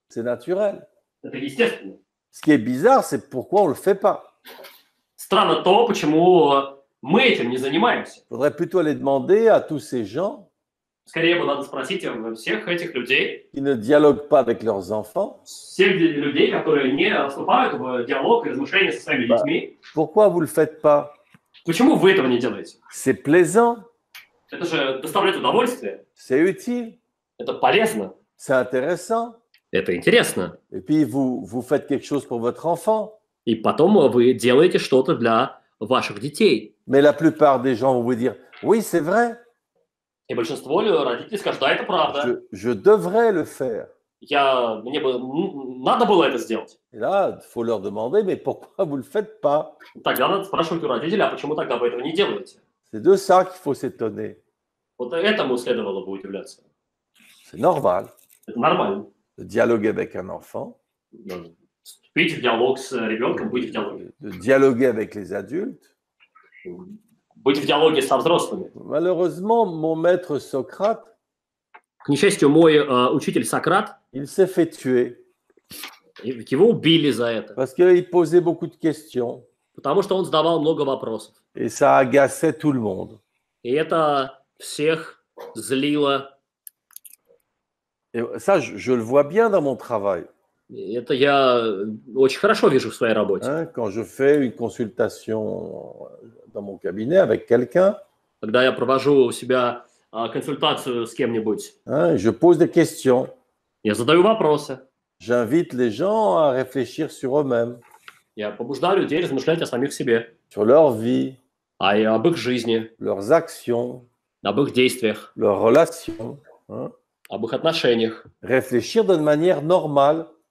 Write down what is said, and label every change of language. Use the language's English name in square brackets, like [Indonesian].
[French] C'est naturel. [Russian] Это естественно. [French] Ce qui est bizarre, c'est pourquoi on le fait pas. [Russian] Странно то, почему мы этим не занимаемся. [French] Faudrait plutôt aller demander à tous ces gens. [Russian] Скорее бы надо спросить всех этих людей, [French] qui ne dialoguent pas avec leurs enfants, [Russian] всех людей, которые не вступают в диалог и размышления со своими детьми. [French] Pourquoi vous le faites pas? [Russian] Почему вы этого не делаете? [French] C'est plaisant. [Russian] Это же доставляет удовольствие. [French] C'est utile. [Russian] Это полезно. [French] C'est intéressant. [Russian] Это интересно. [French] Et puis vous faites quelque chose pour votre enfant. [Russian] И потом вы делаете что-то для ваших детей. [French] Mais la plupart des gens vont vous dire, oui, c'est vrai. [Russian] И большинство родителей скажут, да, это правда. [French] Je devrais le faire. [Russian] Надо было это сделать. [French] Et là, faut leur demander, mais pourquoi vous le faites pas? [Russian] Тогда надо спрашивать у родителей, а почему тогда вы этого не делаете? [French] C'est de ça qu'il faut s'étonner. [Russian] Вот этому следовало бы удивляться. [French] C'est normal. [Russian] Это нормально. [French] De dialoguer avec un enfant. [Russian] Вступить в диалог с ребенком, быть в диалоге. [French] De dialoguer avec les adultes. [Russian] Быть в диалоге со взрослыми. [French] Malheureusement, mon maître Socrate, [Russian] к несчастью, мой учитель Сократ, [French] il s'est fait tuer. [Russian] Его убили за это. [French] Parce qu'il posait beaucoup de questions. [Russian] Потому что он задавал много вопросов. [French] Et ça agaçait tout le monde. [Russian] И это всех злило. [French] Et ça, je le vois bien dans mon travail. [Russian] Это я очень хорошо вижу в своей работе. Hein, [French] quand je fais une consultation dans mon cabinet avec quelqu'un, [Russian] когда я провожу у себя консультацию с кем-нибудь, [French] hein, je pose des questions. [Russian] Я задаю вопросы. [French] J'invite les gens à réfléchir sur eux-mêmes. [Russian] Я побуждаю людей размышлять о самих себе. [French] Sur leur vie. [Russian] А и об их жизни. [French] Leurs actions. [Russian] Об их действиях. [French] Leurs relations. [Russian] Hein. Об их отношениях. [French] Réfléchir d'une manière normale.